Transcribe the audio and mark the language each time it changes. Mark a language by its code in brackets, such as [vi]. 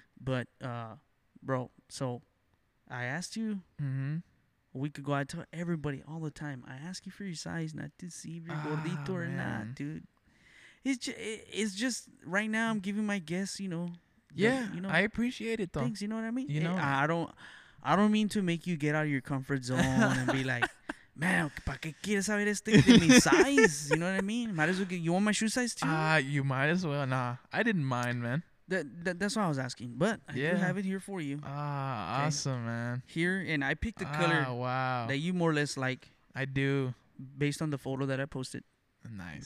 [en] But, bro, so I asked you a week ago. I tell everybody all the time. I ask you for your size, not to see if you're gordito or not, dude. It's just right now. I'm giving my guess, you know. Yeah, you know. I appreciate it though. Thanks. You know what I mean? You know, I don't mean to make you get out of your comfort zone and be like. [es] Man, ¿para qué quieres saber este de mi size? [en] You know what I mean? Might as well get, you want my shoe size too? You might as well. Nah, I didn't mind, man. That's what I was asking. But I do have it here for you. Awesome, man. Here, and I picked the color that you more or less like. I do. Based on the photo that I posted. Nice.